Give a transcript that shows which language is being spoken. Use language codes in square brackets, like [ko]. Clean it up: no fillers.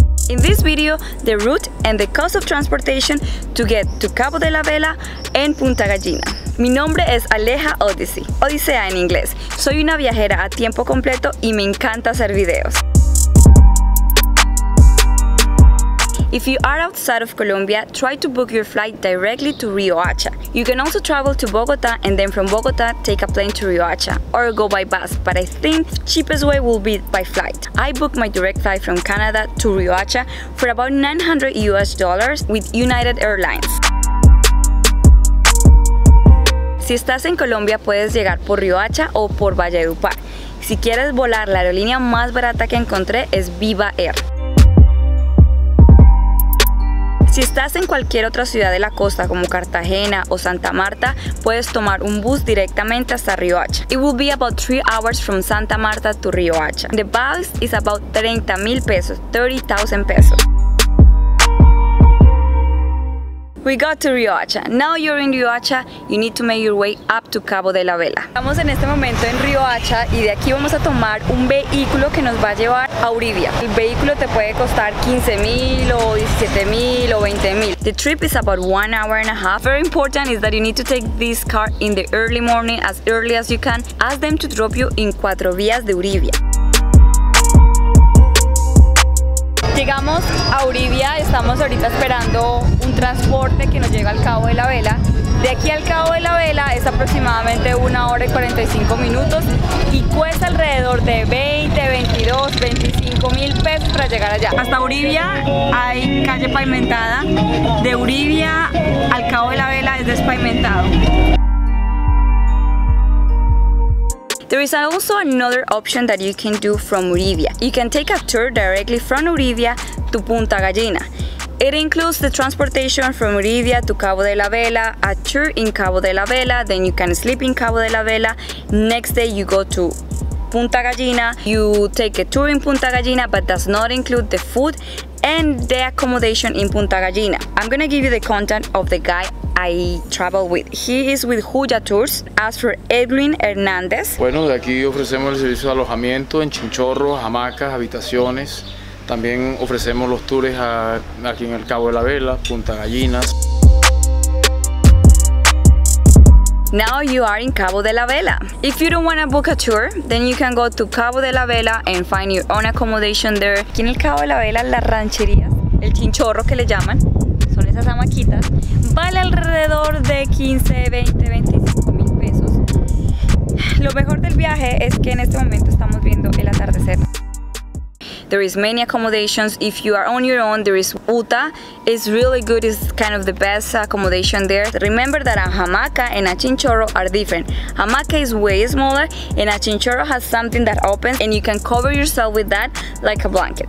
[en] In this video, the route and the cost of transportation to get to Cabo de la Vela and Punta Gallina. [es] Mi nombre es Aleja Odyssey, Odisea en inglés. Soy una viajera a tiempo completo y me encanta hacer videos. [en] If you are outside of Colombia, try to book your flight directly to Riohacha. You can also travel to Bogota and then from Bogota take a plane to Riohacha or go by bus, but I think the cheapest way will be by flight. I booked my direct flight from Canada to Riohacha for about $900 with United Airlines. [es] Si estás en Colombia, puedes llegar por Riohacha o por Valledupar. Si quieres volar, la aerolínea más barata que encontré es Viva Air. Si estás en cualquier otra ciudad de la costa como Cartagena o Santa Marta, puedes tomar un bus directamente hasta Riohacha. [en] It will be about 3 hours from Santa Marta to Riohacha. The bus is about 30,000 pesos, 30,000 pesos. We got to Riohacha. Now you're in Riohacha, you need to make your way up to Cabo de la Vela. [es] Estamos en este momento en Riohacha y de aquí vamos a tomar un vehículo que nos va a llevar a Uribia. El vehículo te puede costar 15,000 o 17,000 o 20,000. [en] The trip is about 1.5 hours. Very important is that you need to take this car in the early morning, as early as you can. Ask them to drop you in Cuatro Vías de Uribia. [es] Llegamos a Uribia, estamos ahorita esperando un transporte que nos llega al Cabo de la Vela. De aquí al Cabo de la Vela es aproximadamente 1 hora y 45 minutos y cuesta alrededor de 20, 22, 25 mil pesos para llegar allá. Hasta Uribia hay calle pavimentada, de Uribia al Cabo de la Vela es despavimentado. [en] There is also another option that you can do from Uribia. You can take a tour directly from Uribia to Punta Gallina. It includes the transportation from Uribia to Cabo de la Vela, a tour in Cabo de la Vela, then you can sleep in Cabo de la Vela. Next day you go to Punta Gallina, you take a tour in Punta Gallina, but does not include the food and the accommodation in Punta Gallina. I'm gonna give you the contact of the guy I travel with. He is with Huya Tours. As for Edwin Hernandez. [es] Bueno, de aquí ofrecemos el servicio de alojamiento en chinchorros, hamacas, habitaciones. También ofrecemos los tours aquí en el Cabo de la Vela, Punta Gallinas. [en] Now you are in Cabo de la Vela. If you don't want to book a tour, then you can go to Cabo de la Vela and find your own accommodation there. [es] Aquí en el Cabo de la Vela, la ranchería, el chinchorro que le llaman, son esas hamaquitas, vale alrededor de 15, 20, 25 mil pesos. Lo mejor del viaje es que en este momento estamos viendo el atardecer. [en] There is many accommodations. If you are on your own, there is Uta. It's really good, it's kind of the best accommodation there. Remember that a hamaca and a chinchorro are different. Hamaca is way smaller and a chinchorro has something that opens and you can cover yourself with that like a blanket.